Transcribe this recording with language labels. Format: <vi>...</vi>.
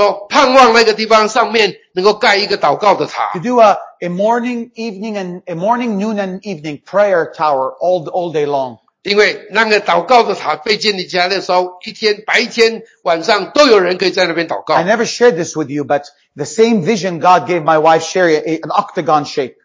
<zh>让詹牧师讲说，盼望那个地方上面能够盖一个祷告的塔。</zh> <en>To do a morning, evening, and a morning, noon, and evening prayer tower all day long.</en> <zh>因为那个祷告的塔被建立起来的时候，一天白天晚上都有人可以在那边祷告。</zh> <en>I never shared this with you, but the same vision God gave my wife Sherry, an octagon shape.</en>